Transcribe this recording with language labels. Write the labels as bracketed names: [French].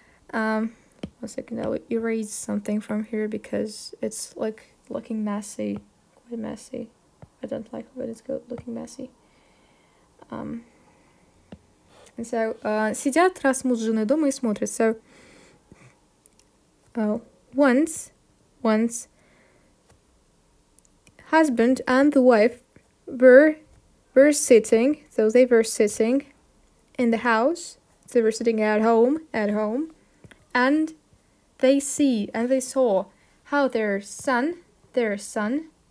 [English] One second, I'll erase something from here because it's like looking messy. Quite messy. I don't like it, but it's looking messy. [Russian] Сидят Расмус с женой дома и смотрят. [English] So, once, husband and the wife were sitting, so they were sitting in the house, so they were sitting at home, and they saw how their son,